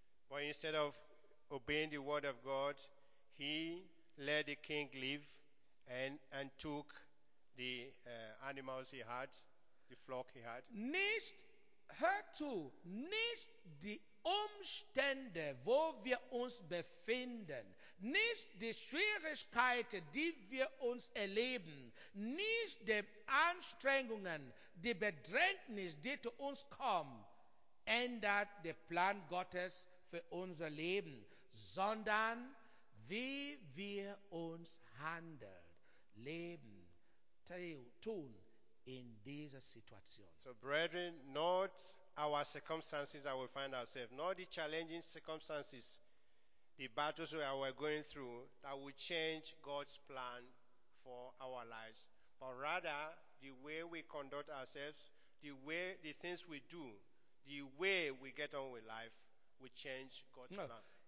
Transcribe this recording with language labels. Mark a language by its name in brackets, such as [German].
[English] But instead of obeying the word of God, he let the king live and took the animals he had, the flock he had. [German] Nicht, hör zu, nicht die Umstände, wo wir uns befinden, nicht die Schwierigkeiten, die wir uns erleben, nicht die Anstrengungen, die Bedrängnis, die zu uns kommen, ändert den Plan Gottes für unser Leben, sondern wie wir uns handeln, leben, tun in dieser Situation. [English] So, brethren, not our circumstances that we find ourselves, not the challenging circumstances, the battles we are going through, that will change God's plan for our lives, but rather the way we conduct ourselves, the way the things we do, the way we get on with life, we change God's plan.